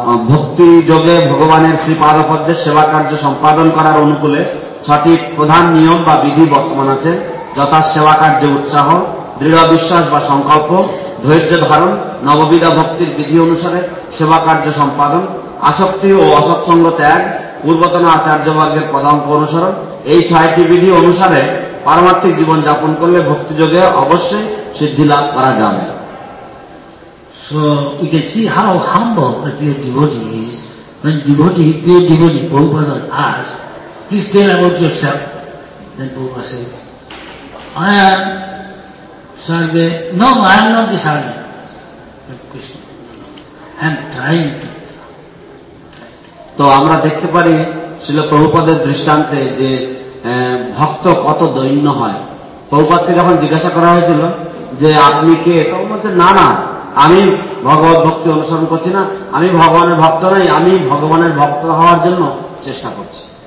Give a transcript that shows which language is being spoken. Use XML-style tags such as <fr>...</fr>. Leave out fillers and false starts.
<bn>ভক্তি যোগে ভগবানের শ্রীপাদপদ্মের সেবা কার্য সম্পাদন করার অনুকূলে 6টি প্রধান নিয়ম বা বিধি বর্তমান আছে, যথা সেবা কার্যে উৎসাহ, দৃঢ় বিশ্বাস বা সংকল্প, ধৈর্য ধারণ, নববিধা ভক্তির বিধি অনুসারে সেবা কার্য সম্পাদন, আসক্তি ও অসৎসঙ্গ ত্যাগ, পূর্বতন আচার্যবর্গের পদাঙ্ক অনুসরণ। এই 6টি বিধি অনুসারে পারমার্থিক জীবন যাপন করলে ভক্তি যোগে অবশ্যই সিদ্ধি লাভ করা যাবে।</bn> <en>So you can see how humble a pure devotee is. When devotee, pure devotee, Prabhupada was asked, please tell about yourself. Then Prabhupada said, I am Sarve. No, I am not the Sarve. But Krishna, I am trying to.</en> <bn>তো আমরা দেখতে পারি শ্রীল প্রভুপদের দৃষ্টান্তে যে ভক্ত কত দৈন্য হয়। প্রভুপাদকে যখন জিজ্ঞাসা করা হয়েছিল যে আপনি কে, তখন বলছে না না, আমি ভগবত ভক্তি অনুসরণ করছি না, আমি ভগবানের ভক্ত নই, আমি ভগবানের ভক্ত হওয়ার জন্য চেষ্টা করছি।</bn>